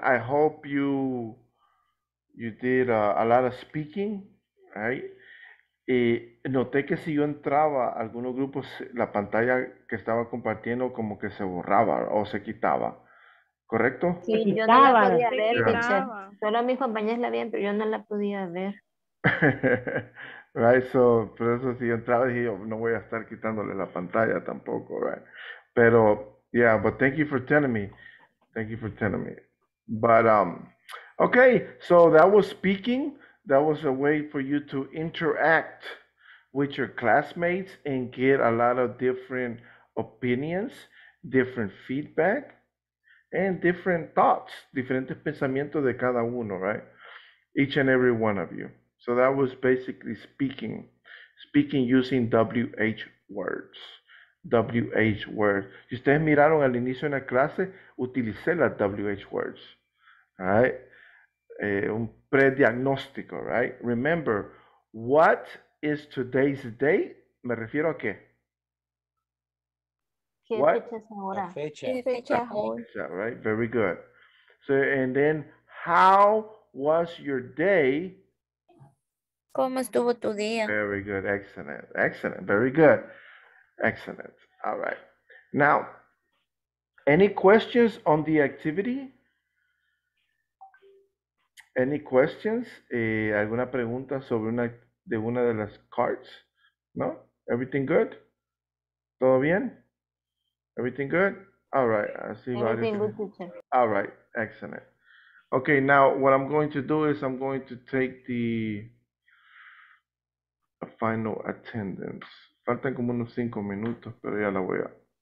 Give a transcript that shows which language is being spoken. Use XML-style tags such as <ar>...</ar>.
<en>I hope you did a lot of speaking, right?</en> <es>Y noté que si yo entraba a algunos grupos, la pantalla que estaba compartiendo como que se borraba o se quitaba, ¿correcto? Sí, yo no la podía ver, solo mis compañeros la veían, pero yo no la podía ver.</es> <en>Right, so,</en> <es>por eso si yo entraba, dije yo, no voy a estar quitándole la pantalla tampoco, right? Pero,</es> <en>yeah, but thank you for telling me. Thank you for telling me. But, okay, so that was speaking. That was a way for you to interact with your classmates and get a lot of different opinions, different feedback, and different thoughts,</en> <es>diferentes pensamientos de cada uno,</es> <en>right? Each and every one of you. So that was basically speaking using WH words. WH words.</en> <es>Si ustedes miraron al inicio de la clase, utilicé las WH words. Right? Un prediagnóstico, right?</es> <en>Remember, what is today's date?</en> <es>¿Me refiero a qué? ¿Qué fecha es ahora?</es> <en>Right? Very good. So, and then, how was your day?</en> <es>¿Cómo estuvo tu día?</es> <en>Very good. Excellent. Excellent. Very good. Excellent. All right. Now, any questions on the activity? Any questions?</en> <es>¿Alguna pregunta sobre una de las cards?</es> <en>No? Everything good?</en> <es>¿Todo bien?</es> <en>Everything good? All right. I see. Everything good, teacher. All right. Excellent. Okay. Now, what I'm going to do is I'm going to take the final attendance.</en> <es>Faltan como unos 5 minutos, pero ya la voy a.</es>